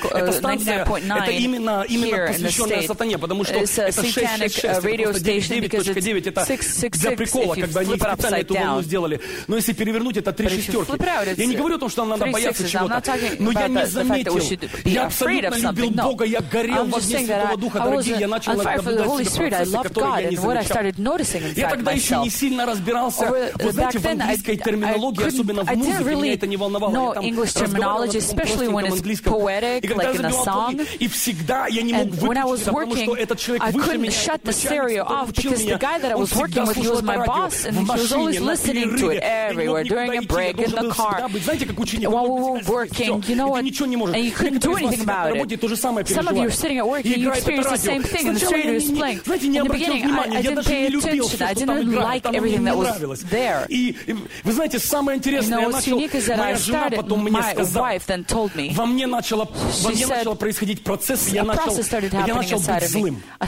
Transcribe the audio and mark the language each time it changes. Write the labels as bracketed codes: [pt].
[ru] эта станция, 99.9 это именно посвященная сатане, потому что [en] it's a [ru] это 666, это 99.9, это 666, для прикола, когда они специально эту волну сделали. Но если перевернуть, это три шестерки. Я не говорю о том, что нам надо бояться чего-то, но я не заметил, я [en] afraid of something. No, Бога, I'm just saying that I was on fire for the Holy Spirit. I loved God, and what I started noticing inside myself. I didn't really know English terminology, especially when it's poetic, like in a song. And when I was working, I couldn't shut the stereo off because the guy that I was working with, he was my boss, and he was always listening to it everywhere, during a break, in the car, while we were working, you know what? And you couldn't do anything about it. Some of you are sitting at work, and you experience the same thing, and the stereo is playing. In the beginning, I didn't pay attention. I didn't like everything that was there. [ru] Вы знаете, самое интересное, моя жена потом мне сказала, во мне начало происходить процесс, я начал быть злым.